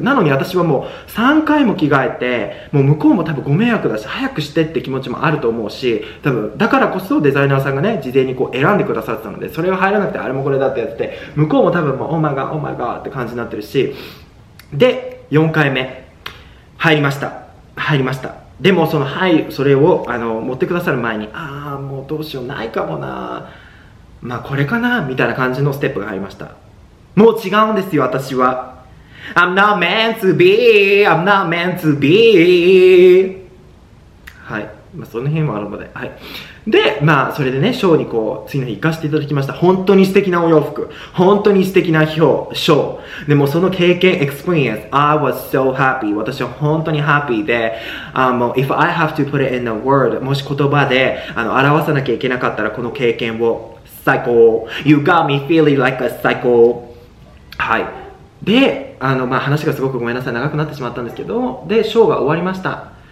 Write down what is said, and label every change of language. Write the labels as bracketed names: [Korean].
[Japanese] なのに私はもう3回も着替えて、もう向こうも多分ご迷惑だし、早くしてって気持ちもあると思うし、多分、だからこそデザイナーさんがね、事前にこう選んでくださってたので、それが入らなくてあれもこれだってやってて、向こうも多分もう、オーマイガー、オーマイガーって感じになってるし、で、4回目、入りました。でも、その、はい、それを、持ってくださる前に、あー、もうどうしよう、ないかもなー。まあ、これかなー、みたいな感じのステップが入りました。もう違うんですよ、私は。 [English] I'm not meant to be, I'm not meant to be. [Japanese] はい。まあ、その辺もあるので、はい。で、まあ、それでね、ショーにこう、次の日行かせていただきました。本当に素敵なお洋服。本当に素敵なショー。でも、その経験、 [English] experience, I was so happy. [Japanese] 私は本当にハッピーで、もう、 [English] if I have to put it in a word, [Japanese] もし言葉で、表さなきゃいけなかったら、この経験を、最高。 [English] You got me feeling like a psycho. はい。 [Japanese] で、まあ、話がすごくごめんなさい。長くなってしまったんですけど、で、ショーが終わりました。